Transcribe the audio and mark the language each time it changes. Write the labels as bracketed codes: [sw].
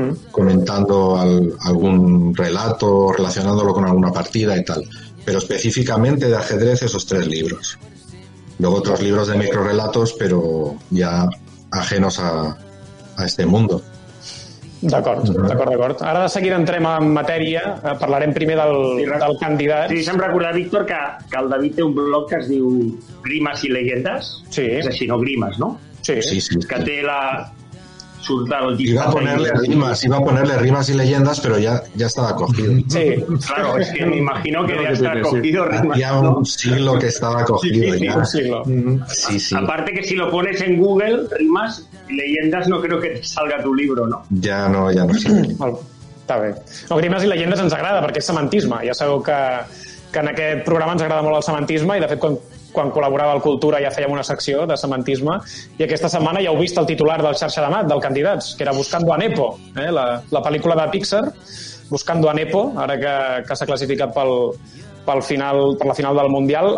[es] comentando algún relato, relacionándolo con alguna partida y tal, pero específicamente de ajedrez esos tres libros. Luego otros libros de microrelatos, pero ya ajenos a este mundo. [ca] D'acord. Ara de seguida entrem en matèria, parlarem primer del candidat. Sí, se'm recordar, Víctor, que el David té un blog que es diu Grimes i Legendes. Sí. És així, no? Grimes, no? Sí. Que té la... [es] Iba a ponerle rimas y leyendas, pero ya estaba cogido. Sí, claro, es que me imagino que ya estaba cogido. Ya un siglo que estaba cogido. Sí, ya. Un siglo. Sí, sí. Aparte que si lo pones en Google, rimas y leyendas, no creo que te salga tu libro, ¿no? Ya no. Está bien. [ca] No, rimas y leyendas ens agrada [es] porque es [ca] semantisme. Ya sabeu que en aquest programa ens agrada molt el semantisme i, de fet, quan col·laborava al Cultura ja fèiem una secció de semantisme i aquesta setmana ja heu vist el titular del Xarxa de Mat, del Candidats, que era Buscando a Nepo, la pel·lícula de Pixar, Buscando a Nepo, ara que s'ha classificat per la final del Mundial.